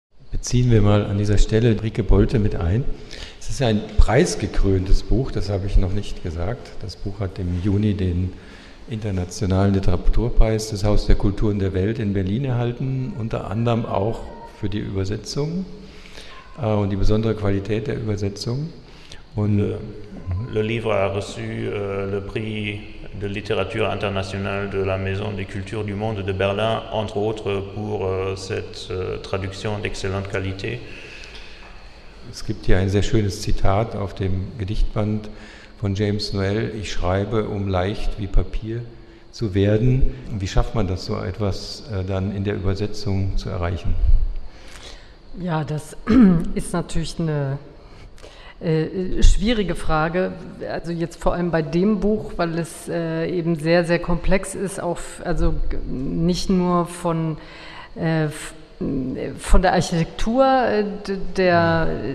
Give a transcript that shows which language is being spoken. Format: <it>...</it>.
<de>Beziehen wir mal an dieser Stelle Ulrike Bolte mit ein. Es ist ja ein preisgekröntes Buch, das habe ich noch nicht gesagt. Das Buch hat im Juni den Internationalen Literaturpreis des Haus der Kulturen der Welt in Berlin erhalten, unter anderem auch für die Übersetzung und die besondere Qualität der Übersetzung.</de> <fr>Und le livre a reçu le prix de littérature internationale de la Maison des Cultures du Monde de Berlin, entre autres pour cette traduction d'excellente qualité.</fr> <de>Es gibt hier ein sehr schönes Zitat auf dem Gedichtband von James Noel: Ich schreibe, um leicht wie Papier zu werden. Wie schafft man das, so etwas dann in der Übersetzung zu erreichen? Ja, das ist natürlich eine schwierige Frage, also jetzt vor allem bei dem Buch, weil es eben sehr, sehr komplex ist, auch, also nicht nur von der Architektur der</de>